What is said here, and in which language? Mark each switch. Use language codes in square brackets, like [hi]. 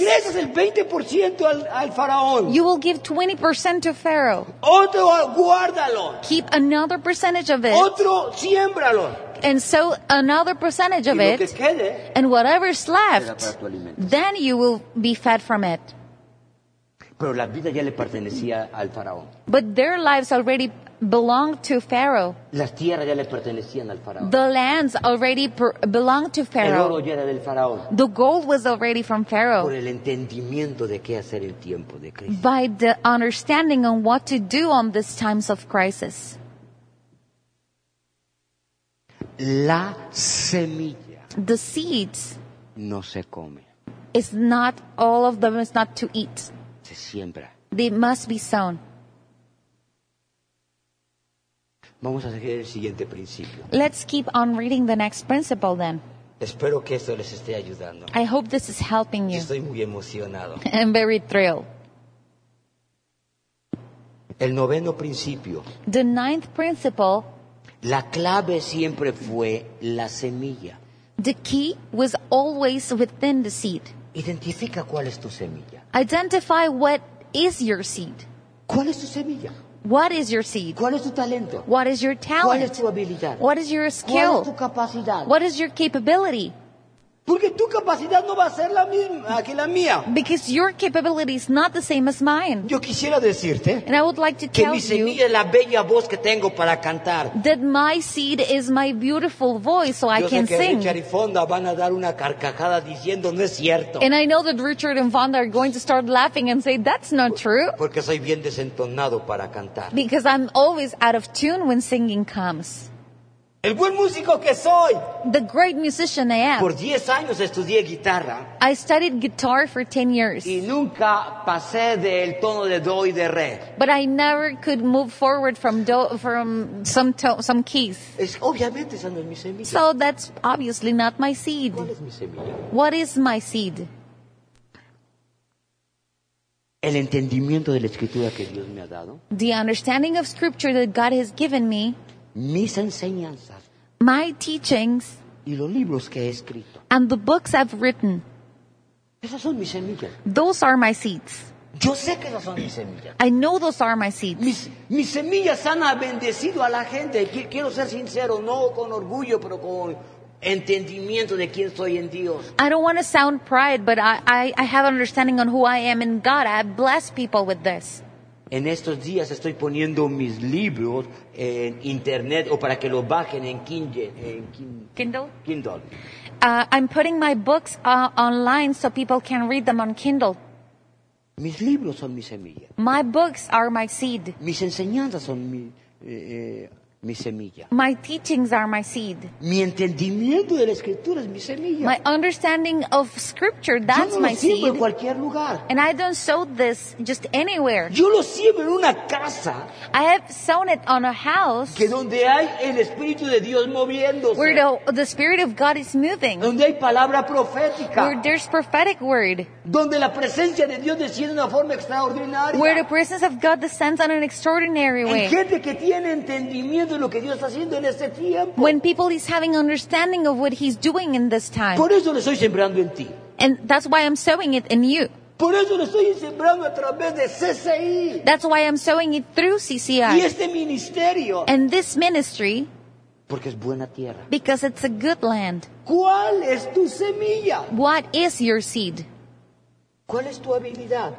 [es] Le regresas el 20% al faraón. [en] You will give 20% to Pharaoh. [es] Otro guárdalo. [en] Keep another percentage of it. [es] Otro siémbralo. [en] And so another percentage of it, [es] quede, [en] and whatever's left, then you will be fed from it. [es] Pero la vida ya le pertenecía al faraón. [en] But their lives already belonged to Pharaoh. [es] Las tierras ya le pertenecían al faraón. [en] The lands already belonged to Pharaoh. [es] El oro ya era del faraón. [en] The gold was already from Pharaoh. [es] Por el entendimiento de qué hacer en tiempo de crisis. [en] By the understanding on what to do on these times of crisis. [es] La semilla. [en] The seeds. [es] No se come. [en] It's not all of them is not to eat. [es] Se siembra. [en] They must be sown. [es] Vamos a seguir el siguiente principio. [en] Let's keep on reading the next principle then. [es] Espero que esto les esté ayudando. [en] I hope this is helping you. [es] Estoy muy emocionado. [en] I'm very thrilled. [es] El noveno principio. [en] The ninth principle. [es] La clave siempre fue la semilla. [en] The key was always within the seed. [es] Identifica cuál es tu semilla. [en] Identify what is your seed. [es] ¿Cuál es tu semilla? [en] What is your seed? [es] ¿Cuál es tu talento? [en] What is your talent? [es] ¿Cuál es tu habilidad? [en] What is your skill? [es] ¿Cuál es tu capacidad? [en] What is your capability? [es] Porque tu capacidad no va a ser la misma que la mía. [en] Because your capability is not the same as mine. [es] Yo quisiera decirte. [en] And I would like to tell you. [es] Que mi semilla es la bella voz que tengo para cantar. [en] That my seed is my beautiful voice so [es] yo [en] I can sing. [es] Yo sé que Richard y Fonda van a dar una carcajada diciendo no es cierto. [en] And I know that Richard and Fonda are going to start laughing and say that's not true. [es] Porque soy bien desentonado para cantar. [en] Because I'm always out of tune when singing comes. [es] El buen músico que soy. [en] The great musician I am. [es] Por 10 años estudié guitarra. [en] I studied guitar for 10 years. [es] Y nunca pasé del tono de do y de re. [en] But I never could move forward from do from some keys. [es] Es obviamente esa no es mi semilla. [en] So that's obviously not my seed. [es] ¿Cuál es mi semilla? [en] What is my seed? [es] El entendimiento de la escritura que Dios me ha dado. [en] The understanding of scripture that God has given me. [es] Mis enseñanzas, [en] my teachings, [es] y los libros que he escrito, [en] and the books I've written, [es] esas son mis semillas. [en] Those are my seeds. [es] Yo sé que esas son mis semillas. [en] I know those are my seeds. [es] Mis semillas han bendecido a la gente. Quiero ser sincero, no con orgullo, pero con entendimiento de quién soy en Dios. [en] I don't want to sound pride, but I have understanding on who I am in God. I have blessed people with this. [es] En estos días estoy poniendo mis libros en internet o para que los bajen en Kindle. [en] I'm putting my books online so people can read them on Kindle. [es] Mis libros son mis semillas. [en] My books are my seed. [es] Mis enseñanzas son mi semilla. [en] My teachings are my seed. [es] Mi entendimiento de la escritura es mi semilla. [en] My understanding of scripture, that's my seed. [es] Yo lo siembro en cualquier lugar. [en] And I don't sow this just anywhere. [es] Yo lo siembro en una casa. [en] I have sown it on a house. [es] Que donde hay el Espíritu de Dios moviéndose. [en] Where the Spirit of God is moving. [es] Donde hay palabra profética. [en] Where there's prophetic word. [es] Donde la presencia de Dios desciende de una forma extraordinaria. [en] Where the presence of God descends on an extraordinary way. [es] En gente que tiene entendimiento entendimiento de lo que Dios está haciendo en este tiempo. [en] When people is having understanding of what he's doing in this time. [es] Por eso lo estoy sembrando en ti. [en] And that's why I'm sowing it in you. [es] Por eso lo estoy sembrando a través de CCI. [en] That's why I'm sowing it through CCI. [es] Y este ministerio. [en] And this ministry. [es] Porque es buena tierra. [en] Because it's a good land. [es] ¿Cuál es tu semilla? [en] What is your seed? [es] ¿Cuál es tu habilidad?